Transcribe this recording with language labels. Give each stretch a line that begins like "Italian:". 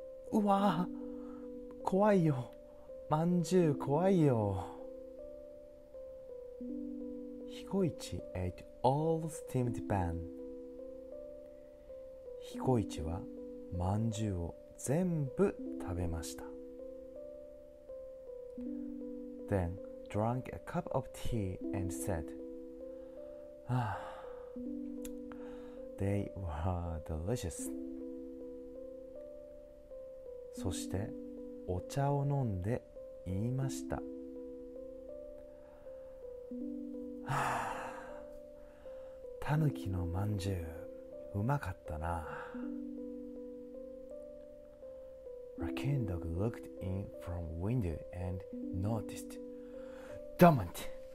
Japanese: うわぁ、怖いよ。まんじゅう怖いよ。
English: ヒコイチ ate all steamed bun.
Japanese: ヒコイチはまんじゅうを全部食べました。
English: Then drank a cup of tea and said, "Ah, they were delicious."
Japanese: そしてお茶を飲んで言いました。たぬきのまんじゅううまかったな。
English: Raccoon dog looked in from window and noticed, "Damn it!